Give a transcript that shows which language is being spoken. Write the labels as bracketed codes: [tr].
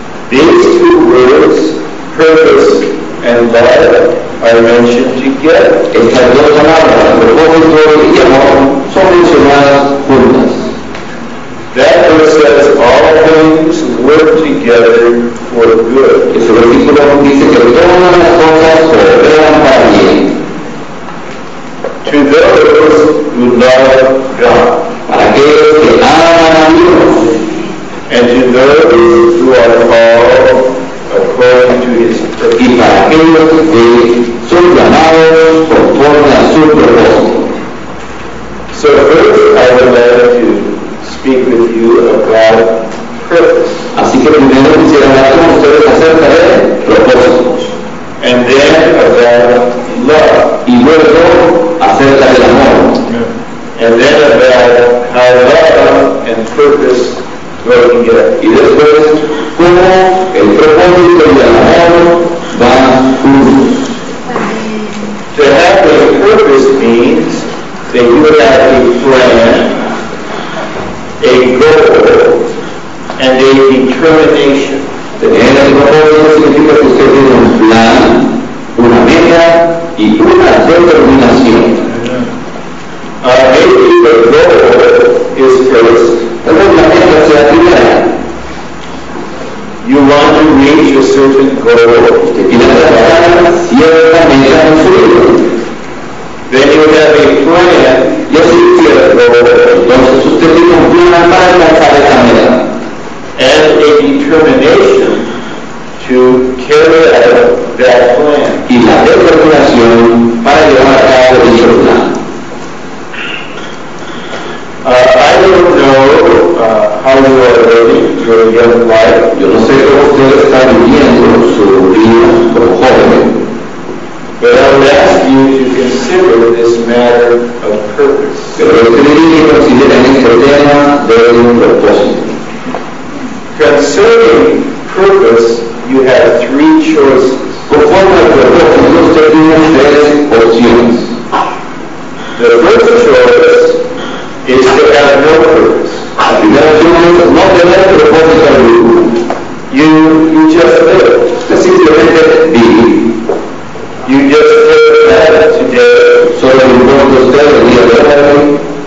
[en] these two words, purpose and love, are mentioned together. [es] Estas dos palabras, propósito y amor, son mencionadas juntas. [en] That verse says all things work together for good. [es] Ese versículo dice que todas las cosas cooperan para bien. [en] To those who love God. [es] Para aquellos que aman a Dios. [en] And to those who are called according to His purpose. [es] Y para aquellos que son llamados conforme a su propósito. [en] So first I would like to speak with you about purpose. [es] Así que primero quisiera hablar con ustedes acerca de propósito. [en] And then about love. [es] Y luego acerca del amor. [en] And then about how love and purpose go together. [es] Y después cómo el propósito y el amor van juntos. [en] To have a purpose means that you have a plan, a goal, and a determination. [es] Tener el propósito significa que usted tiene un plan, una meta y una determinación. [en] Maybe the goal is first. [es] Tal vez la meta sea primera. [en] You want to reach a certain goal. [es] Usted quiere alcanzar cierta meta en su vida. [en] Then you have a plan. [es] Y así quiere goal. Entonces usted tiene un plan para alcanzar esa meta. [en] And a determination to carry out that plan. [es] Y la determinación para llevar a cabo dicho plan. [en] I don't know how you are living your young life. [es] Yo no sé cómo usted está viviendo su vida como joven. [en] But I would ask you to consider this matter of purpose. [es] Pero usted debe considerar este tema del propósito. [en] Concerning purpose, you have three choices. [es] Conforme al propósito, usted tiene tres opciones. [en] The first choice is to have no purpose. [es] La primera opción es no tener propósito alguno. [en] You just live. [es] Simplemente vivir. [en] You just live that today. [es] Solo un poco usted el día de hoy.